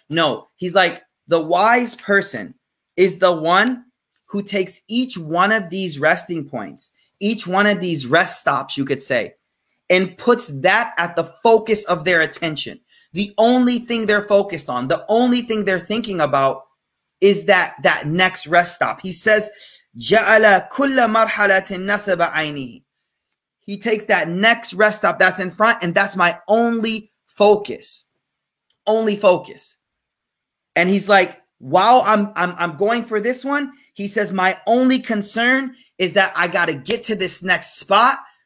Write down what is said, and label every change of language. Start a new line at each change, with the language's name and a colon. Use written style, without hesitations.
English: No, he's like, the wise person is the one who takes each one of these resting points, each one of these rest stops, you could say, and puts that at the focus of their attention. The only thing they're focused on, the only thing they're thinking about is that next rest stop. He says,
Arabic: جَعَلَ كُلَّ مَرْحَلَةٍ نَصَبَ عَيْنِهِ.
English: He takes that next rest stop that's in front, and that's my only focus. Only focus. And he's like, while I'm going for this one, he says, my only concern is that I got to get to this next spot.